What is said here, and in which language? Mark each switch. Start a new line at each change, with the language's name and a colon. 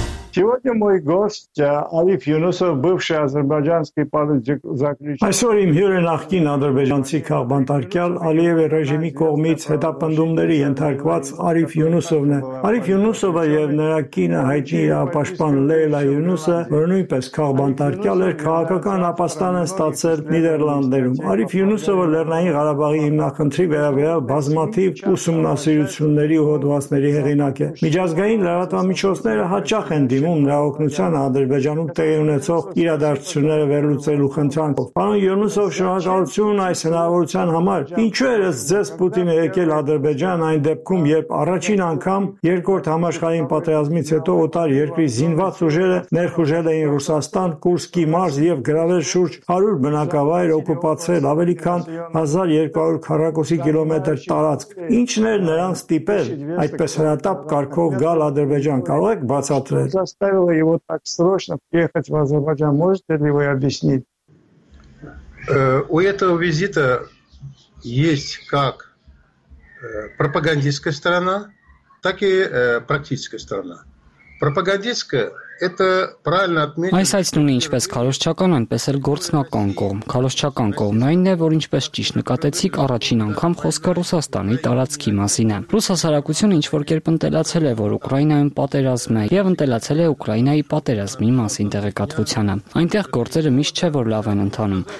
Russian: Сегодня мой гость Алиф Юнусов, бывший азербайджанский политик заключенный.
Armenian: Այսօր իմ հյուրը նախկին ադրբեջանցի քաղբանտարկյալ Ալիևի ռեժիմի կողմից հետապնդումների ենթարկված Արիֆ Յունուսովն է։ Արիֆ Յունուսովը եւ նրա կինը հայտնի իրավապաշտպան Լեյլա Յունուսը, որ նույնպես քաղբանտարկյալ էր, քաղաքական ապաստան են ստացել Նիդերլանդներում։ Արիֆ Յունուսովը Լեռնային Ղարաբաղի հիմնադրի վերաբերյալ բազմաթիվ ուսումնասիրությունների ու հոդվածների հեղինակ է։ Միջազգային լրատվամիջոցները հաճախ են դիմում նրա օգնության Ադրբեջանում տեղի ունեցող իրադարձությունները վերլուծելու խնդրանքով։ Պարոն Յունուսով, շնորհակալություն այս հնարավորության համար։ Ինչու էր ձեզ Պուտինը եկել Ադրբեջան այն դեպքում, երբ առաջին անգամ երկրորդ համաշխարհային պատերազմից հետո օտար երկրի զինված ուժերը ներխուժել էին Ռուսաստան, Կուրսկի մարզ և գրավել շուրջ 100 բնակավայր, օկուպացել ավելի քան 1200 քառակուսի կիլոմետր տարածք։ Ինչն էր նրան ստիպել այդպես հրատապ կարգով գալ Ադրբեջան, կարող եք բացատրել։
Russian: заставило его так срочно приехать в Азербайджан. Можете ли вы объяснить? У этого визита есть как пропагандистская сторона, так и практическая сторона. Пропагандистская Это правильно отметить.
Armenian: Այս այս նույն ինչպես քարոշչական, այնպես էլ գործնական կողմ, քարոշչական կողմն այն է, որ ինչպես ճիշտ նկատեցիք, առաջին անգամ խոսքը Ռուսաստանի տարածքի մասին է։ Ռուսհասարակությունը ինչ որ կերպ ընտելացել է, որ Ուկրաինայում պատերազմ է, եւ ընտելացել է Ուկրաինայի պատերազմի մասին տեղեկատվությունը։ Այնտեղ գործերը միշտ չէ, որ լավ են ընթանում։